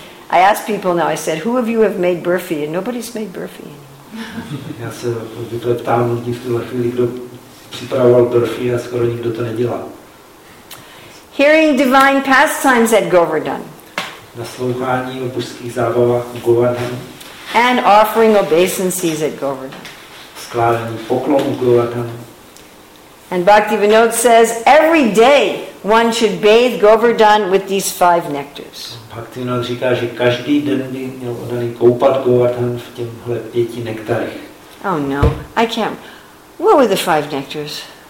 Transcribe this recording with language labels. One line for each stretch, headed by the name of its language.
English: I asked people now, I said, who of you have made burfi? And nobody's made burfi.
Czech: Já se obvykle ptám lidí v tuhle chvíli, kdo připravoval burfi a skoro nikdo to nedělá.
English: Hearing divine pastimes at Govardhan.
Czech: Naslouchání o božských zábavách u Govardhan.
English: And offering obeisances at Govardhan.
Czech: Skládání poklonů u Govardhan.
English: And Bhaktivinod says, every day one should bathe Govardhan with these five nectars.
Czech: Bhaktivinod říká, že každý den by měl oddaný koupat Govardhan v těchto pěti nektarech.
English: Oh no, I can't. What were the five nectars?